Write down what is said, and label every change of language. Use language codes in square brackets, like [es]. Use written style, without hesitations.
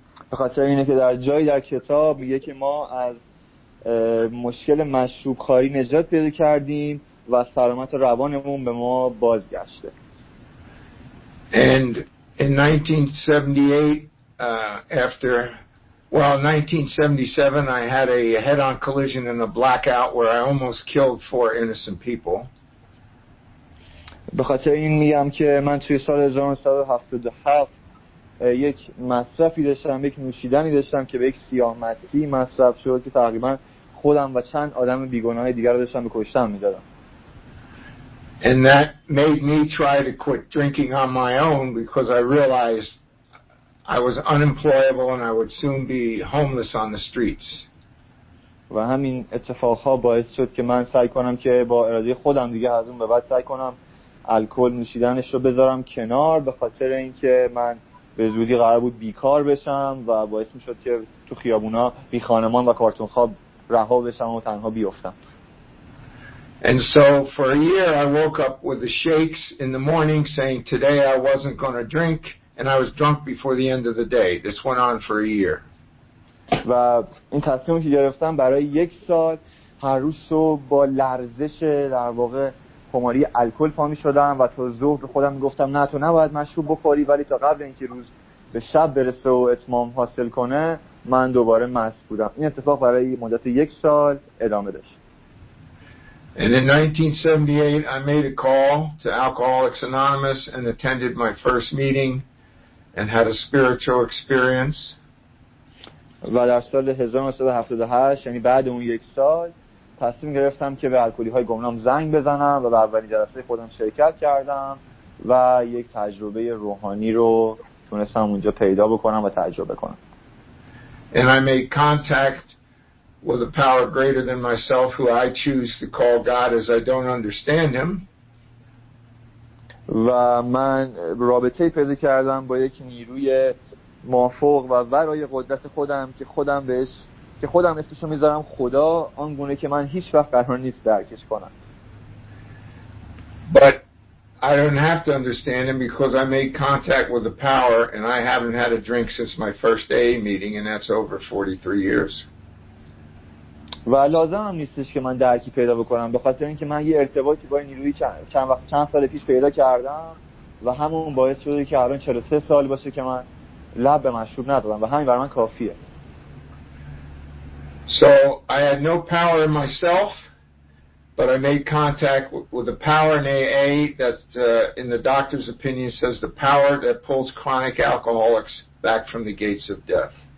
[fa] به خاطر اینه که در جایی در کتاب میگه که ما از مشکل مشروب خواری نجات پیدا کردیم و سلامت روانمون به ما بازگشته. [en] And in 1978 1977 I had a head-on collision and a blackout where I almost killed four innocent people. [fa] به خاطر این میگم که من توی سال 1977 یک مصرفی داشتم، یک نوشیدنی داشتم که به یک سیاه‌مدتی مصرف شد که تقریبا خودم و چند آدم بیگناه دیگر رو داشتم به کشتن میدادم. [en] And that made me try to quit drinking on my own because I realized I was unemployable and I would soon be homeless on the streets. [fa] و همین اتفاقها باعث شد که من سعی کنم که با اراده خودم دیگه از اون به بعد سعی کنم الکل نوشیدنش رو بذارم کنار، به خاطر اینکه من به زودی قرار بود بیکار بشم و باعث میشد که تو خیابونا بی خانمان و کارتون خواب رها بشم و تنها بیفتم. [en] And so for a year I woke up with the shakes in the morning saying today I wasn't going to drink and I was drunk before the end of the day. This went on for a year. [fa] و این تصمیمی که گرفتم برای یک سال هر روز صبح با لرزش در واقع خماری الکل پا می شدم و تا ظهر خودم می گفتم نه تو نباید مشروب بخوری، ولی تا قبل اینکه روز به شب برسه و اتمام حاصل کنه من دوباره مست بودم. این اتفاق برای مدت یک سال ادامه داشت. [en] And in 1978 I made a call to Alcoholics Anonymous and attended my first meeting and had a spiritual experience. [fa] و در سال 1978 یعنی بعد اون یک سال تصمیم گرفتم که به الکلی های گمنام زنگ بزنم و به اولین جلسه خودم شرکت کردم و یک تجربه روحانی رو تونستم اونجا پیدا بکنم و تجربه کنم. [en] And I made contact with a power greater than myself who I choose to call God as I don't understand him. [fa] و من رابطه پیدا کردم با یک نیروی مافوق و ورای قدرت خودم که خودم بهش که خودم اسمشو میذارم خدا، آن گونه که من هیچ وقت قرار نیست درکش کنم. [en] But I don't have to understand him because I made contact with the power and I haven't had a drink since my first AA meeting and that's over 43 years. [fa] و لازم هم نیستش که من درکی پیدا بکنم، به خاطر اینکه من یه ارتباطی با این نیروی چند سال پیش پیدا کردم و همون باعث شده که الان 43 سال باشه که من لب به مشروب ندادم و همین برای من کافیه. [en] So I had no power in myself, but I made contact with the power in AA that in the doctor's opinion says the power that pulls chronic alcoholics back from the gates of death.